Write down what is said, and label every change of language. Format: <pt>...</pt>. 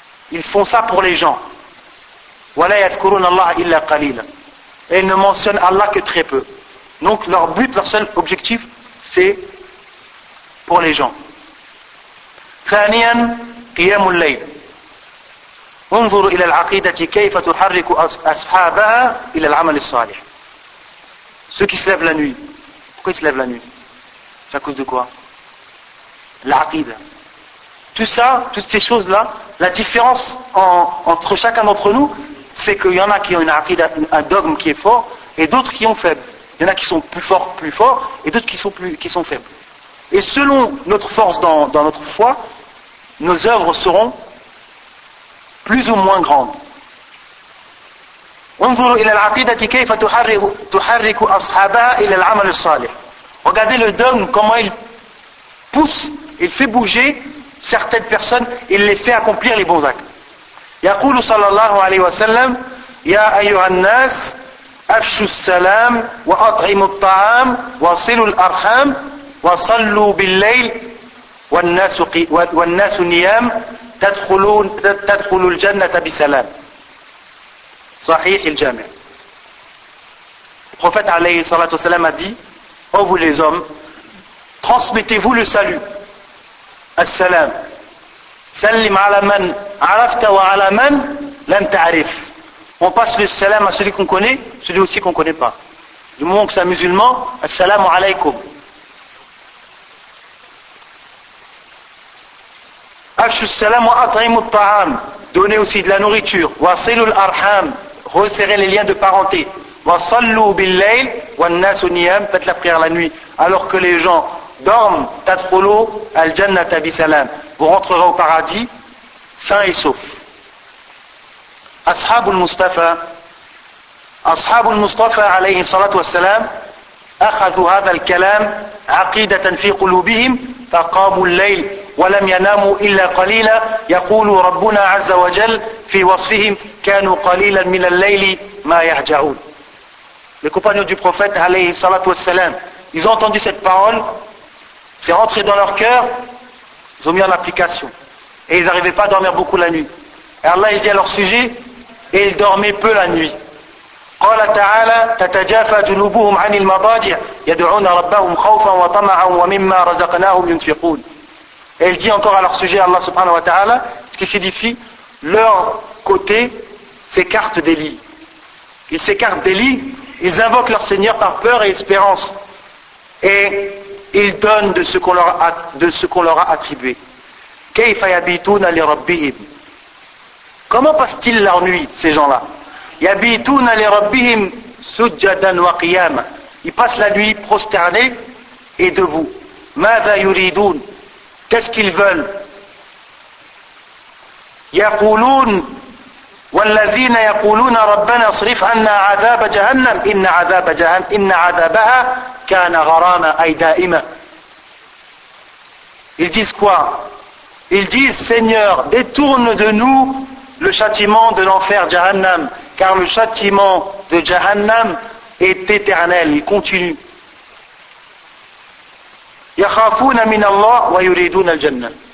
<fr>Ils font ça pour les gens.</fr> <ar>Wala yadhkuruna Allah illa qalila.</ar> <fr>Et ils ne mentionnent Allah que très peu. Donc leur but, leur seul objectif, c'est pour les gens.</fr> <ar>Thaniyan, qiyamul layl. انظر الى العقيده كيف تحرك اصحابها الى العمل الصالح.</ar> <fr>Ceux qui se lèvent la nuit. Pourquoi ils se lèvent la nuit? C'est à cause de quoi? L'aqida. Tout ça, toutes ces choses là, la différence entre chacun d'entre nous, c'est qu'il y en a qui ont une aqida, un dogme qui est fort, et d'autres qui ont faible. Il y en a qui sont plus forts, et d'autres qui sont faibles. Et selon notre force dans notre foi, nos œuvres seront plus ou moins grande.</fr> <ar>انظروا الى العقيده كيف تحرك اصحابها الى العمل الصالح.</ar> <fr>Regardez le dogme, comment il pousse, il fait bouger certaines personnes, il les fait accomplir les bons actes.</fr> <ar>يقول صلى الله عليه وسلم يا ايها الناس افشوا السلام واطعموا الطعام وصلوا الارحام وصلوا بالليل والناس نيام تدخلوا الجنة بسلام صحيح الجامع.</ar> <fr>Le prophète alayhi salatu wasalam a dit, oh vous les hommes, transmettez-vous le salut. Assalam.</fr> <ar>Salim ala man arafta wa ala man lam ta'arif.</ar> <fr>On passe le salam à celui qu'on connaît, celui aussi qu'on ne connaît pas. Du moment que c'est un musulman, assalamu alaykum.</fr> <ar>Afshu salam wa at'imu at'am,</ar> <fr>donnez aussi de la nourriture.</fr> <ar>Wa silu al-arham,</ar> <fr>resserrer les liens de parenté.</fr> <ar>وَصَلُّوا بِاللَّيْلِ وَالنَّاسُ نِيَامٍ.</ar> <fr>Faites la prière la nuit. Alors que les gens dorment,</fr> <ar>تَدْخُلُوا الْجَنَّةَ بِسَلَامٍ.</ar> <fr>Vous rentrerez au paradis, sains et saufs.</fr> <ar>أصحاب المصطفى. أصحاب المصطفى عليه الصلاة والسلام أخذوا هذا الكلام عقيدة في قلوبهم فقاموا الليل ولم يناموا إلا قليلا يقول ربنا عز وجل في وصفهم كانوا قليلا من الليل ما يهجعون.</ar> <fr>Les compagnons du prophète</fr> <ar>عليه الصلاة والسلام,</ar> <fr>ils ont entendu cette parole, c'est rentré dans leur cœur, ils ont mis en application et ils n'arrivaient pas à dormir beaucoup la nuit. Et Allah il dit à leur sujet, et ils dormaient peu la nuit.</fr> <ar>قال تعالى تتجافى جنوبهم عن المضاجع يدعون ربهم خوفا وطمعا ومما رزقناهم ينفقون.</ar> <fr>Et il dit encore à leur sujet Allah subhanahu wa ta'ala, ce qui signifie leur côté s'écarte des lits. Ils s'écartent des lits, ils invoquent leur Seigneur par peur et espérance. Et ils donnent de ce qu'on leur a, de ce qu'on leur a attribué.</fr> <ar>كيف يبيتون لربهم.</ar> <fr>Comment passent-ils leur nuit, ces gens-là ?</fr> <ar>يبيتون لربهم سجدا وقياما.</ar> <fr>Ils passent la nuit prosternés et debout. ماذا يريدون. Qu'est-ce qu'ils veulent ?</fr> <ar>يقولون والذين يقولون ربنا اصرف عنا عذاب جهنم إن عذاب جهنم إن عذابها كان غراما أي دائما.</ar> <fr>Ils disent quoi ? Ils disent Seigneur, détourne de nous le châtiment de l'enfer Jahannam, car le châtiment de Jahannam est éternel, il continue.</fr> <ar>يخافون من الله ويريدون الجنة.</ar>